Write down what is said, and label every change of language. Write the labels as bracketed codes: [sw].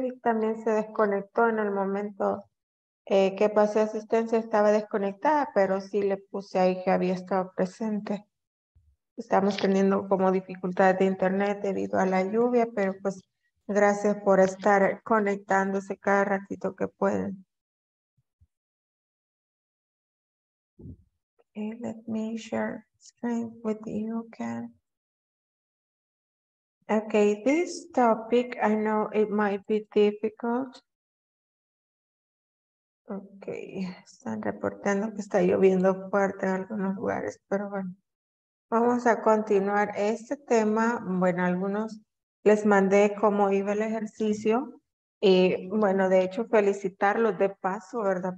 [es] Vic también se desconectó en el momento que pasé asistencia. Estaba desconectada, pero sí le puse ahí que había estado presente. Estamos teniendo como dificultades de internet debido a la lluvia, pero pues gracias por estar conectándose cada ratito que pueden. [en] Okay, let me share screen with you again. Okay, this topic, I know it might be difficult. [es] Okay, están reportando que está lloviendo fuerte en algunos lugares, pero bueno. Vamos a continuar este tema. Bueno, algunos les mandé cómo iba el ejercicio. Y bueno, de hecho, felicitarlos de paso, ¿verdad?